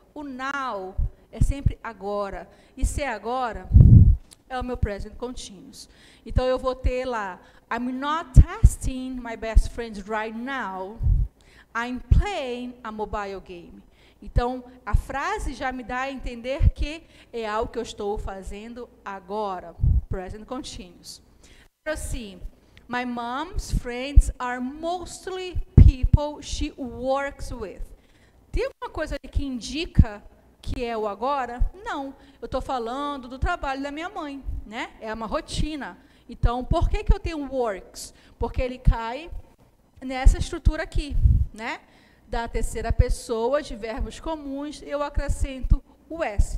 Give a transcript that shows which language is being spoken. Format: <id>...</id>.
<pt>O now é sempre agora. E se é agora, é o meu present continuous. Então, eu vou ter lá,</pt> <en>I'm not testing my best friend right now. I'm playing a mobile game.</en> <pt>Então, a frase já me dá a entender que é algo que eu estou fazendo agora.</pt> <en>Present continuous.</en> <pt>Então, assim,</pt> <en>my mom's friends are mostly people she works with.</en> <pt>Tem alguma coisa que indica que é o agora? Não. Eu estou falando do trabalho da minha mãe, né? É uma rotina. Então, por que que eu tenho works? Porque ele cai nessa estrutura aqui, né? Da terceira pessoa, de verbos comuns, eu acrescento o S.</pt>